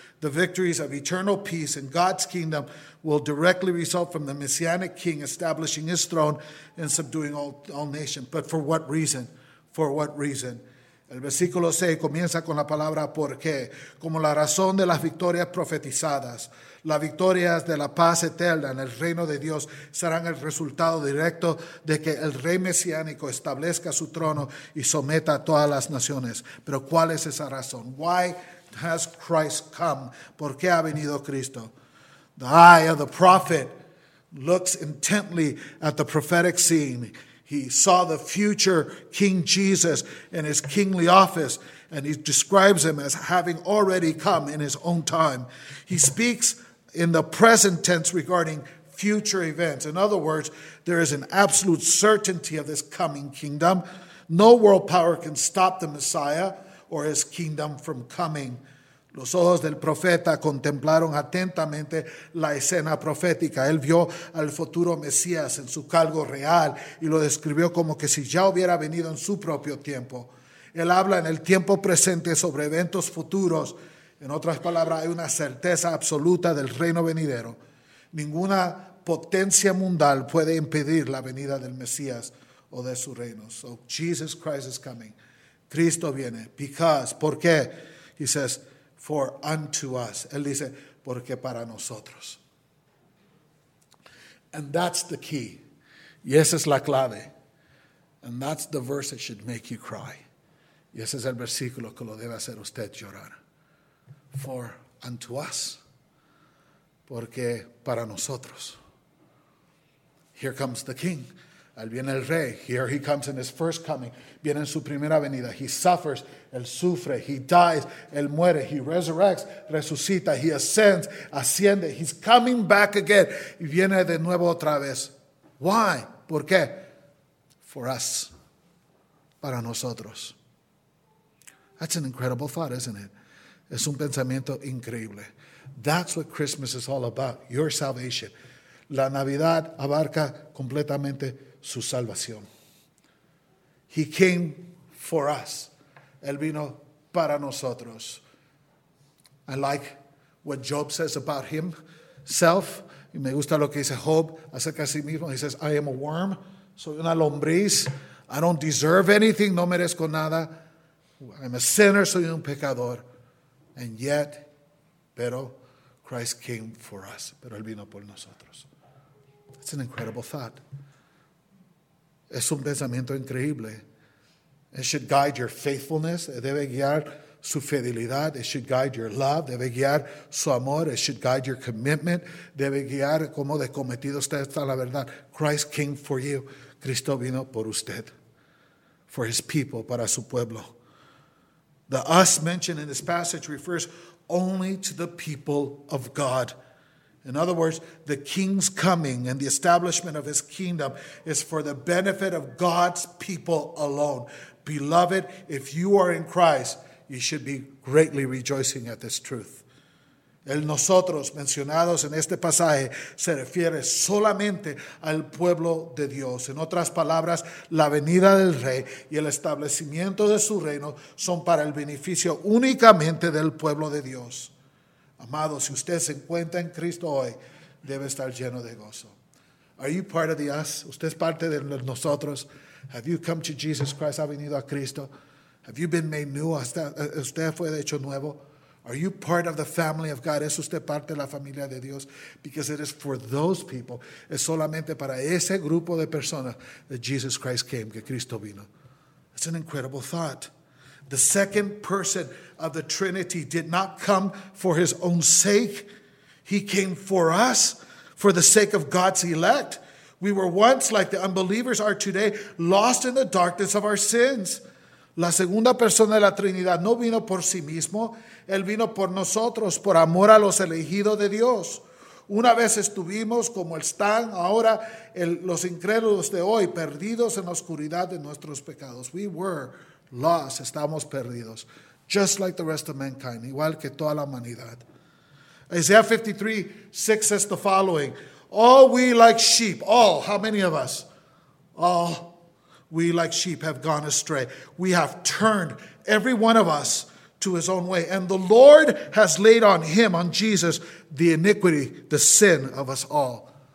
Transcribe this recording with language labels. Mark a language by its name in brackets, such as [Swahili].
[English] The victories of eternal peace in God's kingdom will directly result from the Messianic King establishing his throne and subduing all nations. But for what reason? For what reason? [Spanish] El versículo 6 comienza con la palabra por qué, como la razón de las victorias profetizadas. Las victorias de la paz eterna en el reino de Dios serán el resultado directo de que el rey mesiánico establezca su trono y someta a todas las naciones. Pero ¿cuál es esa razón? [English] Why has Christ come? [Spanish] ¿Por qué ha venido Cristo? [English] The eye of the prophet looks intently at the prophetic scene. He saw the future King Jesus in his kingly office, and he describes him as having already come in his own time. He speaks in the present tense regarding future events. In other words, there is an absolute certainty of this coming kingdom. No world power can stop the Messiah or his kingdom from coming. [Spanish] Los ojos del profeta contemplaron atentamente la escena profética. Él vio al futuro Mesías en su cargo real y lo describió como que si ya hubiera venido en su propio tiempo. Él habla en el tiempo presente sobre eventos futuros. En otras palabras, hay una certeza absoluta del reino venidero. Ninguna potencia mundial puede impedir la venida del Mesías o de su reino. [English] So Jesus Christ is coming. [Spanish] Cristo viene. [English] Because, [Spanish] ¿por qué? [English] He says, for unto us. [Spanish] Él dice, porque para nosotros. [English] And that's the key. [Spanish] Y esa es la clave. [English] And that's the verse that should make you cry. [Spanish] Y ese es el versículo que lo debe hacer usted llorar. [English] For unto us. [Spanish] Porque para nosotros. [English] Here comes the king. [Spanish] Ahí viene el rey. [English] Here he comes in his first coming. [Spanish] Viene en su primera venida. [English] He suffers. [Spanish] Él sufre. [English] He dies. [Spanish] Él muere. [English] He resurrects. [Spanish] Resucita. [English] He ascends. [Spanish] Asciende. [English] He's coming back again. [Spanish] Y viene de nuevo otra vez. [English] Why? [Spanish] ¿Por qué? [English] For us. [Spanish] Para nosotros. [English] That's an incredible thought, isn't it? [Spanish] Es un pensamiento increíble. [English] That's what Christmas is all about. Your salvation. [Spanish] La Navidad abarca completamente su salvación. [English] He came for us. [Spanish] Él vino para nosotros. [English] I like what Job says about himself. [Spanish] Y me gusta lo que dice Job acerca de sí mismo. [English] He says, I am a worm. [Spanish] Soy una lombriz. [English] I don't deserve anything. [Spanish] No merezco nada. [English] I'm a sinner, [Spanish] soy un pecador. [English] And yet, pero Christ came for us. [Spanish] Pero Él vino por nosotros. [English] It's an incredible thought. [Spanish] Es un pensamiento increíble. [English] It should guide your faithfulness. [Spanish] Debe guiar su fidelidad. [English] It should guide your love. [Spanish] Debe guiar su amor. [English] It should guide your commitment. [Spanish] Debe guiar cómo de cometido usted está la verdad. [English] Christ came for you. [Spanish] Cristo vino por usted. [English] For His people, [Spanish] para su pueblo. [English] The us mentioned in this passage refers only to the people of God. In other words, the king's coming and the establishment of his kingdom is for the benefit of God's people alone. Beloved, if you are in Christ, you should be greatly rejoicing at this truth. [Spanish] El nosotros mencionados en este pasaje se refiere solamente al pueblo de Dios. En otras palabras, la venida del rey y el establecimiento de su reino son para el beneficio únicamente del pueblo de Dios. Amado, si usted se encuentra en Cristo hoy, debe estar lleno de gozo. [English] Are you part of the us? [Spanish] ¿Usted es parte de nosotros? [English] Have you come to Jesus Christ? [Spanish] ¿Ha venido a Cristo? [English] Have you been made new? [Spanish] ¿Usted fue hecho nuevo? [English] Are you part of the family of God? [Spanish] ¿Es usted parte de la familia de Dios? [English] Because it is for those people. [Spanish] Es solamente para ese grupo de personas [English] that Jesus Christ came, [Spanish] que Cristo vino. [English] It's an incredible thought. The second person of the Trinity did not come for his own sake. He came for us, for the sake of God's elect. We were once, like the unbelievers are today, lost in the darkness of our sins. [Spanish] La segunda persona de la Trinidad no vino por sí mismo. Él vino por nosotros, por amor a los elegidos de Dios. Una vez estuvimos como están ahora los incrédulos de hoy, perdidos en la oscuridad de nuestros pecados. [English] We were lost, [Spanish] estamos perdidos. [English] Just like the rest of mankind, [Spanish] igual que toda la humanidad. [English] Isaiah 53:6 says the following. All we like sheep, all, how many of us? All. We like sheep have gone astray. We have turned every one of us to his own way. And the Lord has laid on him, on Jesus, the iniquity, the sin of us all.